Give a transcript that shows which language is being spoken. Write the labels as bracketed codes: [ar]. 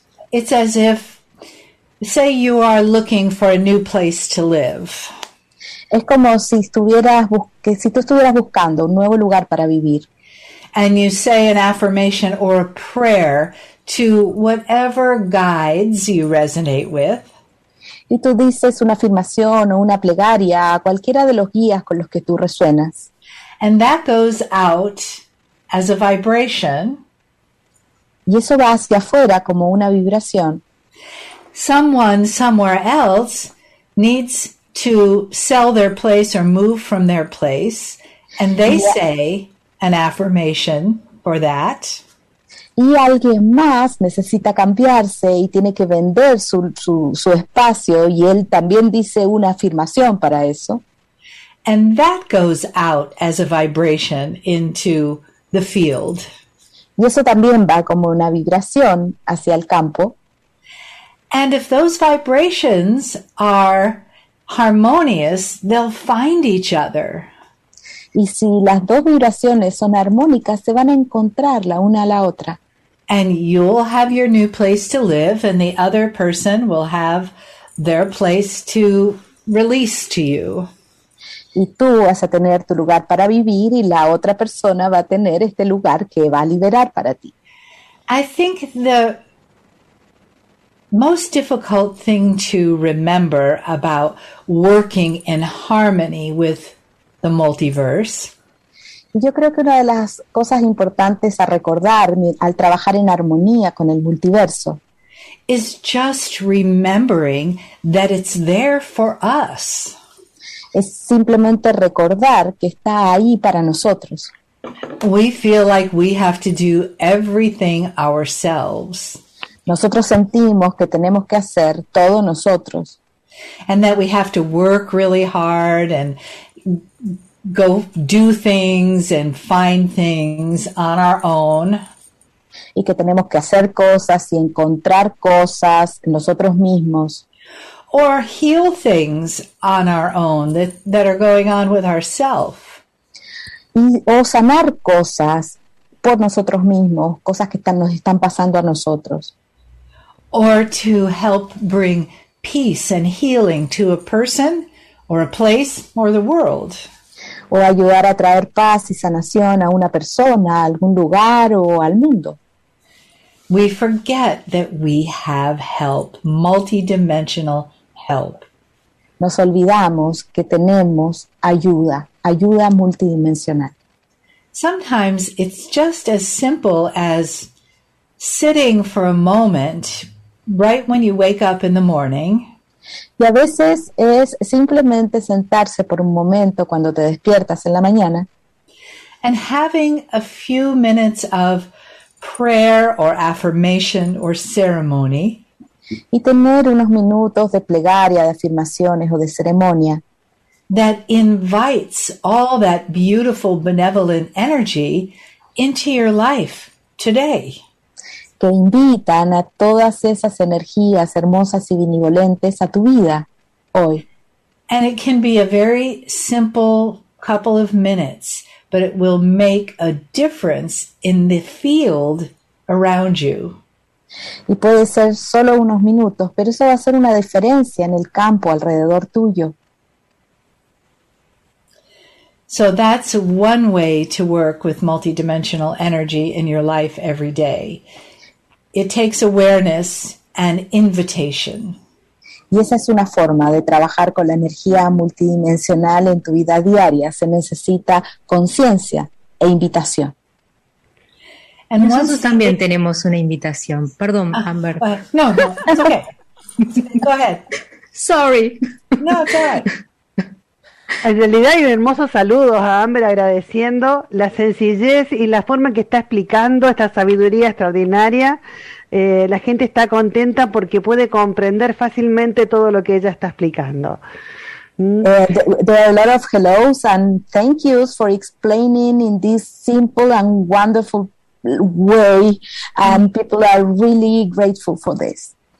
[en] It's as if, say you are looking for a new place to live. [es] Es como si tú estuvieras buscando un nuevo lugar para vivir. [en] And you say an affirmation or a prayer to whatever guides you resonate with. [es] Y tú dices una afirmación o una plegaria a cualquiera de los guías con los que tú resuenas. [en] And that goes out as a vibration. [es] Y eso va hacia afuera como una vibración. [en] Someone somewhere else needs to sell their place or move from their place, and they say an affirmation for that. [es] Y alguien más necesita cambiarse y tiene que vender su espacio, y él también dice una afirmación para eso. [en] And that goes out as a vibration into the field. [es] Y eso también va como una vibración hacia el campo. [en] And if those vibrations are harmonious, they'll find each other. [es] Y si las dos vibraciones son armónicas, se van a encontrar la una a la otra. [en] And you'll have your new place to live, and the other person will have their place to release to you. [es] Y tú vas a tener tu lugar para vivir, y la otra persona va a tener este lugar que va a liberar para ti. [en] I think the most difficult thing to remember about working in harmony with the multiverse. [es] Yo creo que una de las cosas importantes a recordar al trabajar en armonía con el multiverso [en] is just remembering that it's there for us. [es] Es simplemente recordar que está ahí para nosotros. [en] We feel like we have to do everything ourselves. [es] Nosotros sentimos que tenemos que hacer todo nosotros. [en] And that we have to work really hard and go do things and find things on our own. [es] Y que tenemos que hacer cosas y encontrar cosas nosotros mismos. [en] Or heal things on our own that are going on with ourselves. [es] O sanar cosas por nosotros mismos, cosas que nos están pasando a nosotros. [en] Or to help bring peace and healing to a person or a place or the world. [es] O ayudar a traer paz y sanación a una persona, a algún lugar o al mundo. [en] We forget that we have help, multidimensional help. [es] Nos olvidamos que tenemos ayuda, ayuda multidimensional. [en] Sometimes it's just as simple as sitting for a moment right when you wake up in the morning. [es] Y a veces es simplemente sentarse por un momento cuando te despiertas en la mañana. [en] And having a few minutes of prayer or affirmation or ceremony. [es] Y tener unos minutos de plegaria, de afirmaciones o de ceremonia. [en] That invites all that beautiful, benevolent energy into your life today. [es] Que invitan a todas esas energías hermosas y benevolentes a tu vida hoy. [en] And it can be a very simple couple of minutes, but it will make a difference in the field around you. [es] Y puede ser solo unos minutos, pero eso va a hacer una diferencia en el campo alrededor tuyo. [en] So that's one way to work with multidimensional energy in your life every day. It takes awareness and invitation. [es] Y esa es una forma de trabajar con la energía multidimensional en tu vida diaria. Se necesita conciencia e invitación. And nosotros también tenemos una invitación. Perdón, Amber. [en] No, it's okay. Go ahead. Sorry. No, go ahead. [es] En realidad hay hermosos saludos a Amber agradeciendo la sencillez y la forma en que está explicando esta sabiduría extraordinaria. La gente está contenta porque puede comprender fácilmente todo lo que ella está explicando. [en] There are a lot of hellos and thank yous for explaining in this simple and wonderful way, and people are really grateful for this.